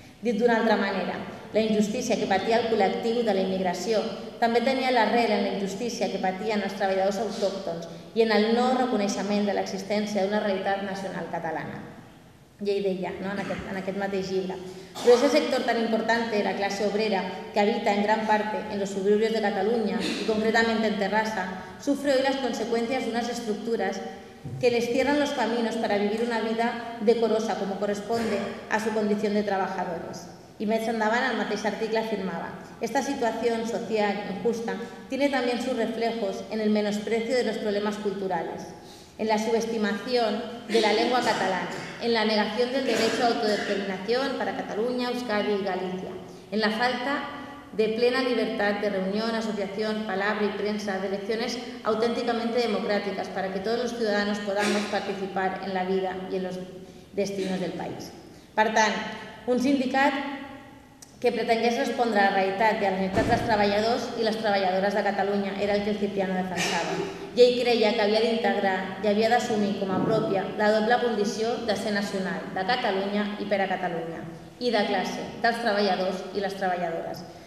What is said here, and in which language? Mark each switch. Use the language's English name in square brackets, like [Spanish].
[Catalan] Dit d'una altra manera, la injustícia que patia el col·lectiu de la immigració també tenia l'arrel en la injustícia que patien els treballadors autòctons i en el no reconeixement de l'existència d'una realitat nacional catalana. Ja hi deia, no? en aquest mateix llibre. Però aquest sector tan important, la classe obrera, que habita en gran part en els suburbis de Catalunya i concretament en Terrassa, [Spanish] sufre hoy [Catalan] les conseqüències d'unes estructures [Spanish] que les cierran los caminos para vivir una vida decorosa como corresponde a su condición de trabajadores. [Catalan] I més endavant, el mateix article afirmava: [Spanish] esta situación social injusta tiene también sus reflejos en el menosprecio de los problemas culturales, en la subestimación de la lengua catalana, en la negación del derecho a autodeterminación para Cataluña, Euskadi y Galicia, en la falta de plena libertad de reunión, asociación, palabra y prensa, de elecciones auténticamente democráticas para que todos los ciudadanos podamos participar en la vida y en los destinos del país. [Catalan] Per tant, un sindicat que pretengués respondre a la realitat i a les necessitats dels treballadors i les treballadores de Catalunya era el que el Cipriano defensava. I ell creia que havia d'integrar i havia d'assumir com a pròpia la doble condició de ser nacional, de Catalunya i per a Catalunya, i de classe, dels treballadors i les treballadores.